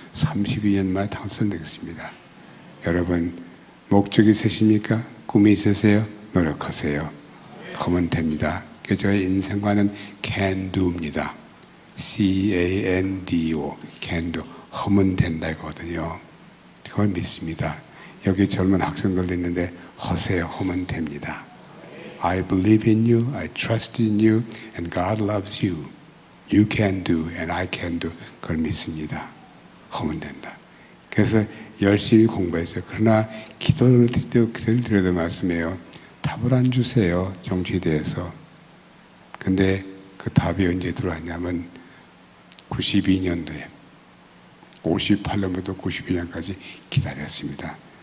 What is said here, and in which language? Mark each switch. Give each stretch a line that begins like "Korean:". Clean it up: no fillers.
Korean: 32년 만에 당선되었습니다. 여러분, 목적이 있으십니까? 꿈이 있으세요? 노력하세요. 하면 됩니다. 그 저의 인생과는 can do입니다. C-A-N-D-O, can do. 하면 된다거든요. 그걸 믿습니다. 여기 젊은 학생들도 있는데 하세요. 하면 됩니다.
English: I believe in you, I trust in you, and God loves you. You can do, and I can do.
Korean: 그걸 믿습니다. 하면 된다. 그래서 열심히 공부했어요. 그러나 기도를 드려도 말씀해요. 답을 안 주세요. 정치에 대해서. 근데 그 답이 언제 들어왔냐면 92년도에 58년부터 92년까지 기다렸습니다.